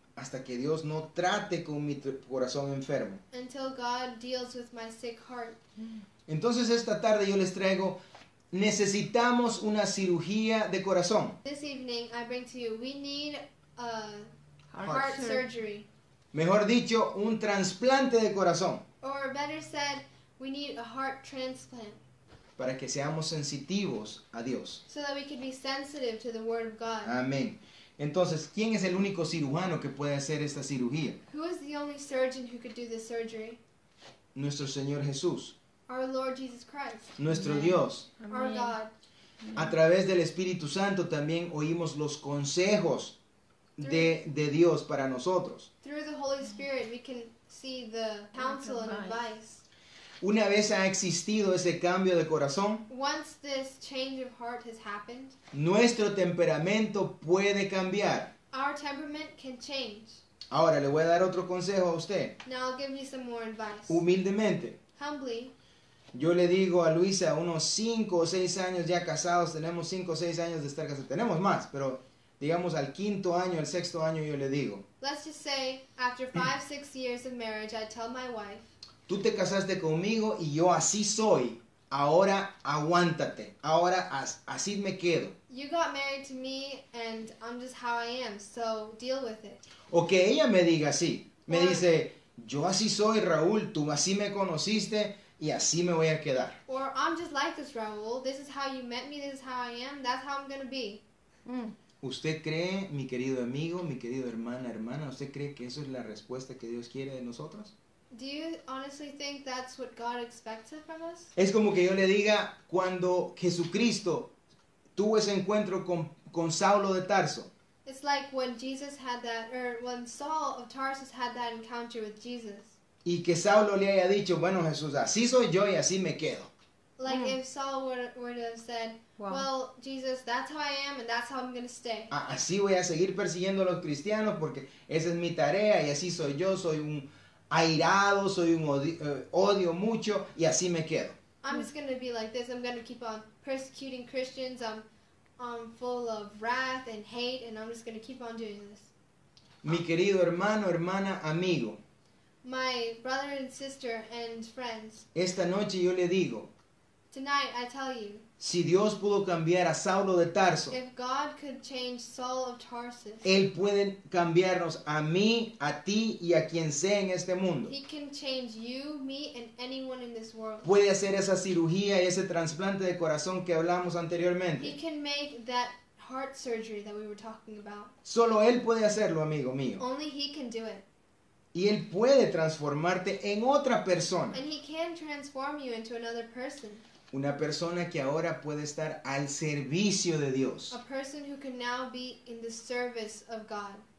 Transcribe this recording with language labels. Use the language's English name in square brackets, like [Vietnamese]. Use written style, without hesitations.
[Spanish] Hasta que Dios no trate con mi corazón enfermo. [English] Until God deals with my sick heart. [Spanish] Entonces esta tarde yo les traigo, necesitamos una cirugía de corazón. [English] This evening I bring to you, we need a heart surgery. [Spanish] Mejor dicho, un trasplante de corazón. [English] Or better said, we need a heart transplant. [Spanish] Para que seamos sensitivos a Dios. [English] So that we can be sensitive to the word of God. [Spanish] Amén. Entonces, ¿quién es el único cirujano que puede hacer esta cirugía? [English] Who is the only surgeon who could do this surgery? [Spanish] Nuestro Señor Jesús. [English] Our Lord Jesus Christ. [Spanish] Nuestro Amen. Dios. [English] Amen. Our God. [Spanish] A través del Espíritu Santo también oímos los consejos de Dios para nosotros. [English] Through the Holy Spirit we can see the counsel and advice. [Spanish] Una vez ha existido ese cambio de corazón, [English] once this change of heart has happened, [Spanish] nuestro temperamento puede cambiar. [English] Our temperament can change. [Spanish] Ahora le voy a dar otro consejo a usted. [English] Now I'll give you some more advice. [Spanish] Humildemente. [English] Humbly. [Spanish] Yo le digo a Luisa, unos 5 o 6 años ya casados, tenemos 5 o 6 años de estar casados, tenemos más, pero digamos al quinto año, al sexto año yo le digo. [English] Let's just say, after 5, 6 years of marriage, I tell my wife, [Spanish] tú te casaste conmigo y yo así soy, ahora aguántate, ahora así me quedo. [English] You got married to me and I'm just how I am, so deal with it. [Spanish] O que ella me diga así, me dice, yo así soy Raúl, tú así me conociste, y así me voy a quedar. [English] Or I'm just like this, Raúl. This is how you met me. This is how I am. That's how I'm going to be. [Spanish] ¿Usted cree, mi querido amigo, mi querido hermana, usted cree que eso es la respuesta que Dios quiere de nosotros? [English] Do you honestly think that's what God expects from us? [Spanish] Es como que yo le diga, cuando Jesucristo tuvo ese encuentro con Saulo de Tarso. [English] It's like when Jesus had that, or when Saul of Tarsus had that encounter with Jesus. [Spanish] Y que Saulo le haya dicho, bueno Jesús, así soy yo y así me quedo. [English] Like if Saul would have said, wow. Well, Jesus, that's how I am and that's how I'm going to stay. [Spanish] Así voy a seguir persiguiendo a los cristianos porque esa es mi tarea y así soy yo, soy un airado, soy un odio mucho y así me quedo. [English] I'm just going to be like this, I'm going to keep on persecuting Christians, I'm full of wrath and hate and I'm just going to keep on doing this. [Spanish] Mi querido hermano, hermana, amigo. [English] My brother and sister and friends. [Spanish] Esta noche yo le digo. [English] Tonight I tell you. [Spanish] Si Dios pudo cambiar a Saulo de Tarso. [English] If God could change Saul of Tarsus. [Spanish] Él puede cambiarnos a mí, a ti y a quien sea en este mundo. [English] He can change you, me and anyone in this world. [Spanish] Puede hacer esa cirugía y ese trasplante de corazón que hablamos anteriormente. [English] He can make that heart surgery that we were talking about. [Spanish] Solo él puede hacerlo, amigo mío. [English] Only he can do it. [Spanish] Y él puede transformarte en otra persona. [English] And he can transform you into another person. [Spanish] Una persona que ahora puede estar al servicio de Dios. [English] A person who can now be in the service of God.